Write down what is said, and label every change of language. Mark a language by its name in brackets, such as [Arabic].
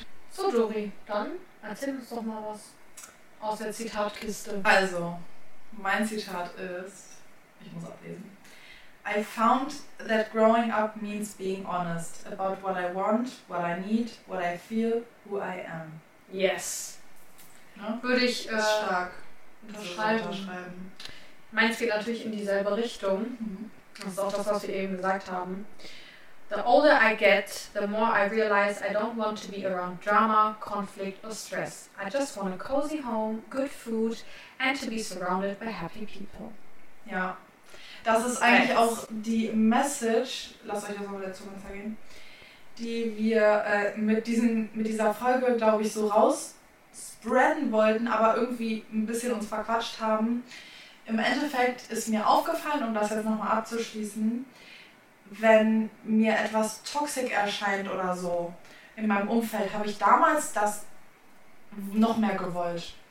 [German] So, Dori, dann erzähl uns doch mal was aus der Zitatkiste. Also, mein Zitat ist, ich muss ablesen. [English] I found that growing up means being honest about what I want, what I need, what I feel, who I am. Yes. [German] Ne? Würde ich stark unterschreiben. Meins geht natürlich in dieselbe Richtung. Mhm. Das ist auch das, was wir eben gesagt haben. [English] The older I get, the more I realize I don't want to be around drama, conflict or stress. I just want a cozy home, good food and to be surrounded by happy people. [German] Ja, das ist eigentlich auch die Message, lasst euch das mal dazu mal zeigen, die wir mit dieser Folge, glaube ich, so raus spreaden wollten, aber irgendwie ein bisschen uns verquatscht haben. Im Endeffekt ist mir aufgefallen, um das jetzt nochmal abzuschließen, wenn mir etwas toxic erscheint oder so in meinem Umfeld, habe ich damals das noch mehr gewollt.